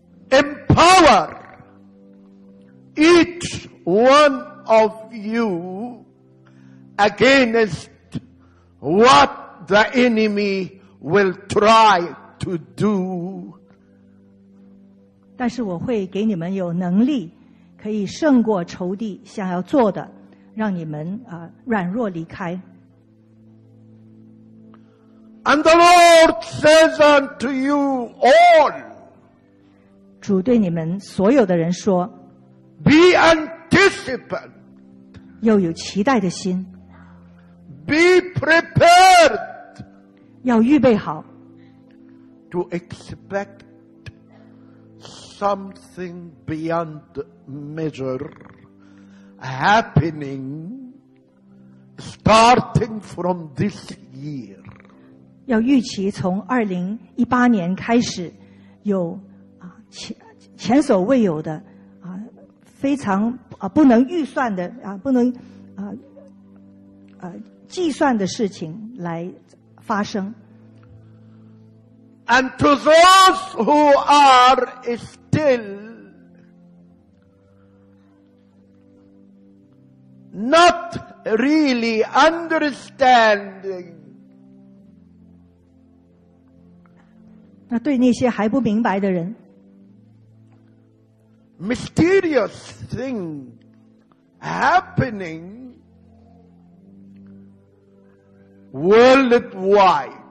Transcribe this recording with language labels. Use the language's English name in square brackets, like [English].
[English] Empower each one of you against what the enemy will try to do. [Chinese] 但是我会给你们有能力，可以胜过仇敌想要做的，让你们软弱离开。 [English] And the Lord says unto you all. [Chinese] 主对你们所有的人说 [English] Be anticipant [Chinese] 又有期待的心 [English] Be prepared [Chinese] 要预备好 [English] To expect something beyond measure happening starting from this year [Chinese] 要预期从2018年开始有前所未有的非常不能预算的不能计算的事情来发生。 [English] And to those who are still not really understanding, [Chinese] 那对那些还不明白的人。 [English] Mysterious thing happening worldwide.